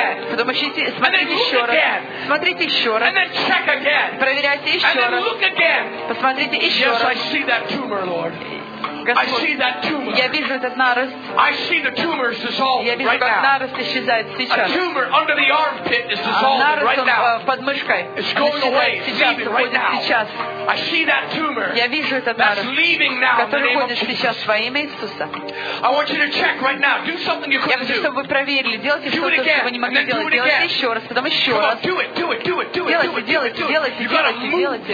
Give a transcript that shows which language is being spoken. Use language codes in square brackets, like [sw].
[ru] Потом ищите, смотрите еще раз. Смотрите еще раз. Проверяйте еще раз. Посмотрите еще раз. Господь, я вижу этот нарост. [en] I see the tumors [ru] я вижу, [en] right [ru] как [en] now. [ru] Нарост исчезает сейчас. [en] A tumor under the armpit is dissolving right now. [ru] Нарост под мышкой исчезает сейчас. [en] Right now. I see that tumor. [ru] Я вижу этот нарост, который уходит сейчас во имя Иисуса. [en] I want you to check right now. Do something you couldn't do. [ru] Я хочу, чтобы вы проверили. Делайте что-то, что вы не могли делать. Делайте еще раз, потом еще раз. Делайте.